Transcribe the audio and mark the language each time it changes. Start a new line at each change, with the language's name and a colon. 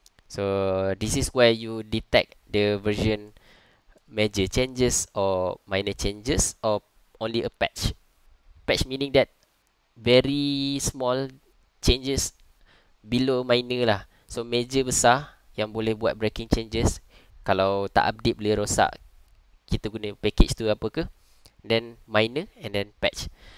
English: So this is where you detect the version major changes or minor changes or only a patch. Patch meaning that very small changes below minor lah.
Malay: So major besar yang boleh buat breaking changes. Kalau tak update boleh rosak kita guna package tu apa ke.
English: Then minor and then patch.